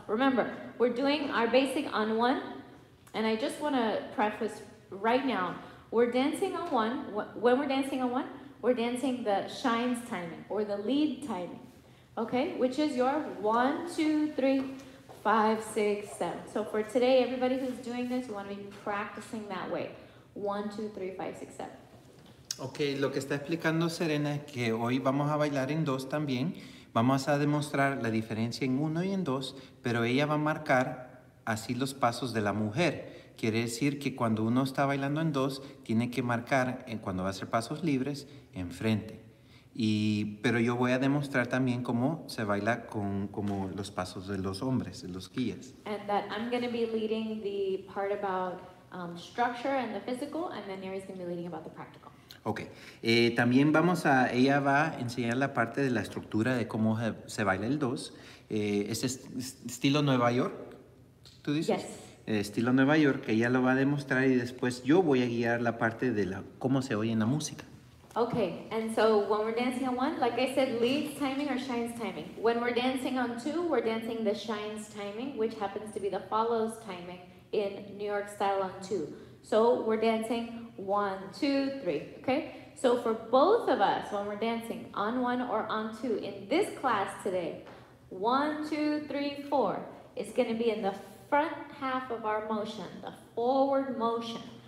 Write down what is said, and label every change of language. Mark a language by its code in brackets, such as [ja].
[en] Remember, we're doing our basic on one, and I just wanna preface right now, we're dancing on one, when we're dancing on one, we're dancing the shines timing or the lead timing. Okay, which is your 1, 2, 3, 5, 6, 7. So for today, everybody who's doing this, you want to be practicing that way. 1, 2, 3, 5, 6, 7. [es] Okay, lo que está explicando Serena es que hoy vamos a bailar en dos también. Vamos a demostrar la diferencia en uno y en dos, pero ella va a marcar así los pasos de la mujer. Quiere decir que cuando uno está bailando en dos, tiene que marcar cuando va a hacer pasos libres enfrente. Y, pero yo voy a demostrar también cómo se baila con como los pasos de los hombres, de los guías. [en] And that I'm going to be leading the part about structure and the physical, and then Nery's going to be leading about the practical. Okay. [es] También vamos a, ella va a enseñar la parte de la estructura de cómo se baila el dos. Ese es estilo Nueva York, ¿tú dices? [en] Yes. [es] Estilo Nueva York, ella lo va a demostrar y después yo voy a guiar la parte de la, cómo se oye en la música. [en] Okay, and so when we're dancing on one, like I said, lead timing or shines timing. When we're dancing on two, we're dancing the shines timing, which happens to be the follows timing in New York style on two. So we're dancing 1, 2, 3, okay? So for both of us, when we're dancing on one or on two in this class today, 1, 2, 3, 4 is gonna be in the front half of our motion, the forward motion.